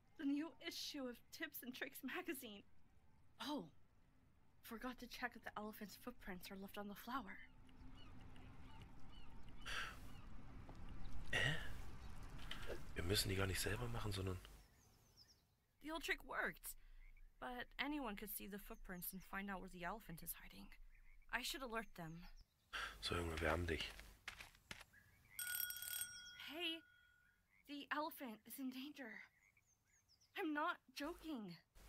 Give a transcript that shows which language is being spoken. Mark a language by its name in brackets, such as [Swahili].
[English] The new issue of Tips and Tricks magazine. Oh, forgot to check if the elephant's footprints are left on the flower. [German] Wir müssen die gar nicht selber machen, sondern... [English] The old trick worked. But anyone could see the footprints and find out where the elephant is hiding. I should alert them. [German] So, Junge, wir haben dich. [English] Hey, the elephant is in danger. I'm not joking.